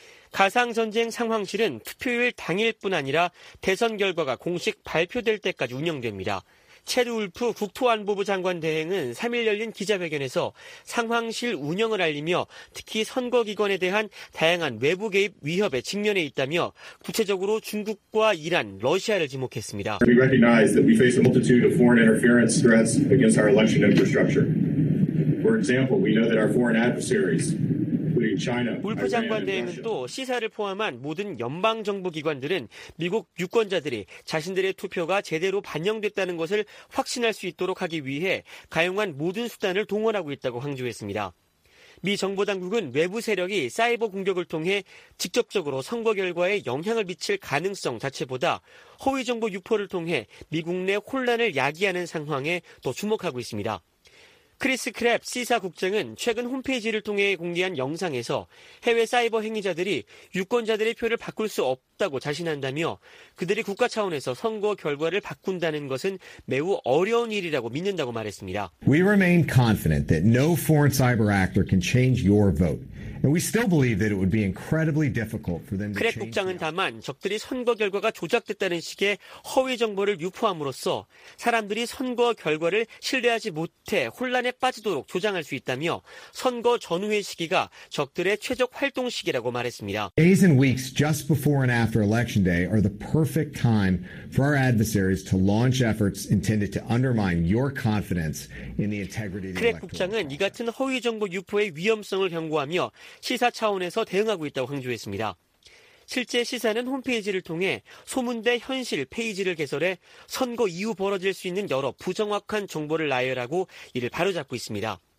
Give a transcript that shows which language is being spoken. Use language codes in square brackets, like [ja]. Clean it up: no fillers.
[ko] 가상전쟁 상황실은 투표일 당일뿐 아니라 대선 결과가 공식 발표될 때까지 운영됩니다. 채드 울프 국토안보부 장관 대행은 3일 열린 기자회견에서 상황실 운영을 알리며 특히 선거기관에 대한 다양한 외부 개입 위협에 직면해 있다며 구체적으로 중국과 이란, 러시아를 지목했습니다. [en] We recognize that we face a multitude of foreign interference threats against our election infrastructure. For example, we know that our foreign adversaries... [ko] 울프 장관 대행은 또 시사를 포함한 모든 연방정부기관들은 미국 유권자들이 자신들의 투표가 제대로 반영됐다는 것을 확신할 수 있도록 하기 위해 가용한 모든 수단을 동원하고 있다고 강조했습니다. 미 정보당국은 외부 세력이 사이버 공격을 통해 직접적으로 선거 결과에 영향을 미칠 가능성 자체보다 허위정보 유포를 통해 미국 내 혼란을 야기하는 상황에 더 주목하고 있습니다. 크리스 크랩 시사 국장은 최근 홈페이지를 통해 공개한 영상에서 해외 사이버 행위자들이 유권자들의 표를 바꿀 수 없고 없다고 자신한다며 그들이 국가 차원에서 선거 결과를 바꾼다는 것은 매우 어려운 일이라고 믿는다고 말했습니다. [en] We remain confident that no foreign cyber actor can change your vote. And we still believe that it would be incredibly difficult for them to change. [ko] 크랩 국장은 다만 적들이 선거 결과가 조작됐다는 식의 허위 정보를 유포함으로써 사람들이 선거 결과를 신뢰하지 못해 혼란에 빠지도록 조장할 수 있다며 선거 전후의 시기가 적들의 최적 활동 시기라고 말했습니다. [en] Days and weeks just before and after election day are the perfect time for our adversaries to launch efforts intended to undermine your confidence in the integrity of the electoral. [ko] 크랩 국장은 이 같은 허위 정보 유포의 위험성을 경고하며 시사 차원에서 대응하고 있다고 강조했습니다. 실제 시사는 홈페이지를 통해 소문대 현실 페이지를 개설해 선거 이후 벌어질 수 있는 여러 부정확한 정보를 나열하고 이를 바로잡고 있습니다.